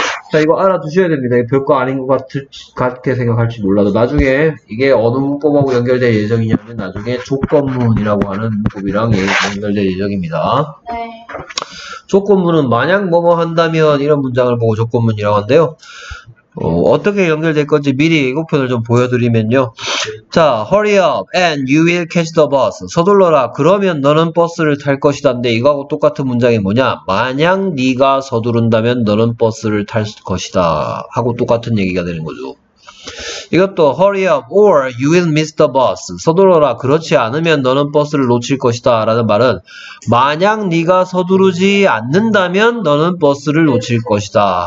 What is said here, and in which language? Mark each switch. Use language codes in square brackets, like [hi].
[ko] 자, 이거 알아두셔야 됩니다. 별거 아닌 것 같을, 같게 생각할지 몰라도 나중에 이게 어느 문법하고 연결될 예정이냐면 나중에 조건문이라고 하는 문법이랑 연결될 예정입니다. 네. 조건문은 만약 뭐뭐 한다면 이런 문장을 보고 조건문이라고 하는데요. 어떻게 연결될 건지 미리 예고편을 좀 보여드리면요. [en] 자, hurry up and you will catch the bus. [ko] 서둘러라. 그러면 너는 버스를 탈 것이다. 근데 이거하고 똑같은 문장이 뭐냐? 만약 네가 서두른다면 너는 버스를 탈 것이다. 하고 똑같은 얘기가 되는 거죠. 이것도 [en] hurry up or you will miss the bus. [ko] 서둘러라. 그렇지 않으면 너는 버스를 놓칠 것이다. 라는 말은 만약 네가 서두르지 않는다면 너는 버스를 놓칠 것이다.